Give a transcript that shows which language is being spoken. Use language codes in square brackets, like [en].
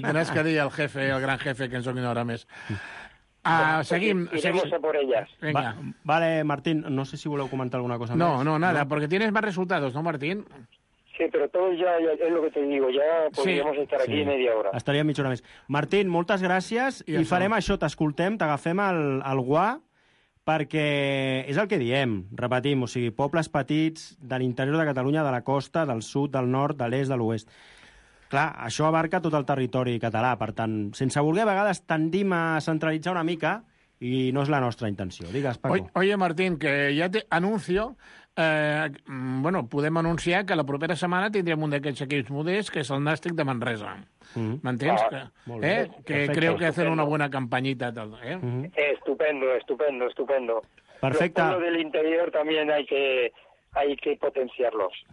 [es] tenés que decir al jefe, al gran jefe que [ca] ens domina [es] ahora més. Seguimos por ellas. Venga. [ca] Vale, Martín, no sé si voleu comentar alguna cosa no, [es] más. No, nada, porque tienes más resultados, ¿no, Martín? Sí, pero todo ya es lo que te digo, ya podríamos estar aquí media hora. [ca] Estaria mitja hora més. Martín, moltes gràcies i farem això, t'escoltem, t'agafem al guà. Perquè és el que diem, repetim, o sigui, pobles petits de l'interior de Catalunya, de la costa, del sud, del nord, de l'est, de l'oest. Clar, això abarca tot el territori català, per tant, sense voler, a vegades tendim a centralitzar una mica i no és la nostra intenció. Digues, Paco. [es] Oye, Martín, que ya te anuncio, [ca] bueno, podem anunciar que la propera setmana tindrem un d'aquests equips modests, que és el Nàstic de Manresa. Mm-hmm. ¿M'entens? [es] Que creo que hacen una buena campañita. Estupendo. [ca] Perfecte. [es] Los pueblos del interior también hay que potenciarlos.